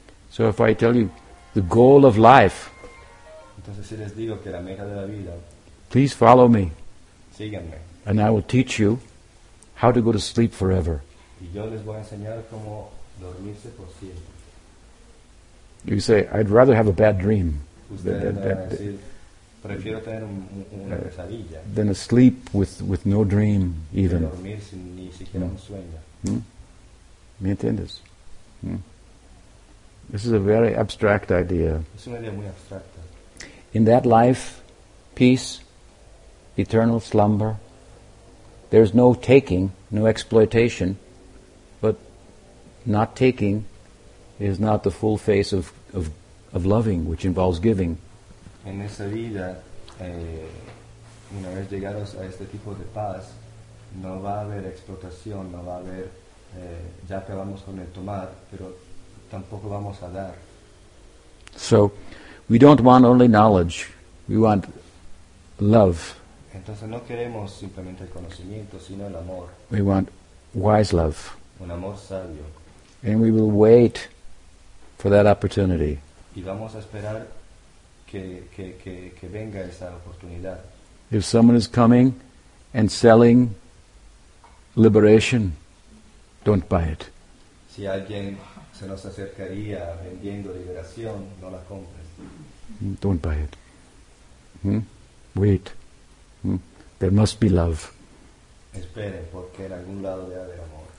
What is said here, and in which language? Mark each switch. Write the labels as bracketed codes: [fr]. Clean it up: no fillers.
[en] So if I tell you the goal of life, [es] entonces, si les digo que la meta de la vida, [en] please follow me. [es] Síganme. [en] And I will teach you how to go to sleep forever. [es] Y yo les voy a enseñar cómo dormirse por siempre. [en] You say, I'd rather have a bad dream than a sleep with no dream even. [es] Dormir sin ni siquiera un sueño. ¿Me entiendes? [en] This is a very abstract idea. [es] Es una idea muy abstracta. [en] In that life, peace, eternal slumber, there's no taking, no exploitation, but not taking is not the full face of loving, which involves giving. [es] En esa vida, una vez llegados a este tipo de paz, no va a haber explotación, no va a haber, ya acabamos con el tomar, pero tampoco vamos a dar. [en] So, we don't want only knowledge, we want love. [es] Entonces no queremos simplemente el conocimiento, sino el amor. [en] We want wise love. [es] Un amor sabio. [en] And we will wait for that opportunity. [es] Y vamos a esperar que venga esa oportunidad. [en] If someone is coming and selling liberation, don't buy it. [es] Si alguien se nos acercaría vendiendo liberación, no la compres. [en] Don't buy it. Wait. There must be love. [es] Espere, porque en algún lado debe haber amor.